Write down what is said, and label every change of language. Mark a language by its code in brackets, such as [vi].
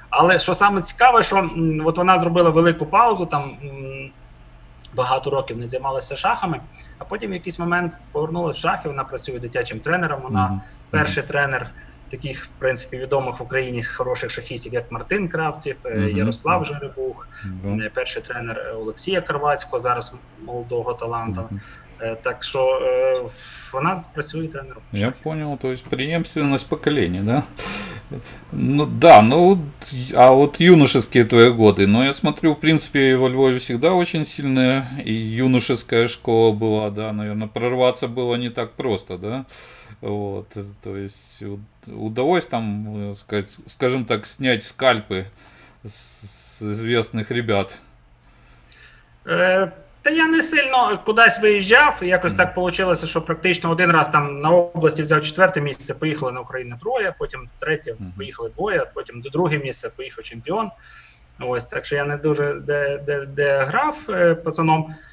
[uk] Але що саме цікаве, що от вона зробила велику паузу, там багато років не займалася шахами, а потім в якийсь момент повернулася в шахи, вона працює дитячим тренером, вона перший тренер таких, в принципі, відомих в Україні хороших шахістів, як Мартин Кравців, Ярослав Жеребух, перший тренер Олексія Карвацького, зараз молодого таланта. Так що вона працює тренером. Я зрозумів, тобто преємственность покоління, да? [ru] Ну да, ну а вот юношеские твои годы, но я смотрю, в принципе, во Львове всегда очень сильная и юношеская школа была, да, наверное, прорваться было не так просто, да, вот, то есть удалось там, скажем так, снять скальпы с известных ребят. [uk] Та я не сильно кудись виїжджав, якось так вийшло, що практично один раз там на області взяв четверте місце, поїхали на Україну троє, потім третє, поїхали двоє, потім до друге місце поїхав чемпіон. Ось, так що я не дуже де грав пацаном.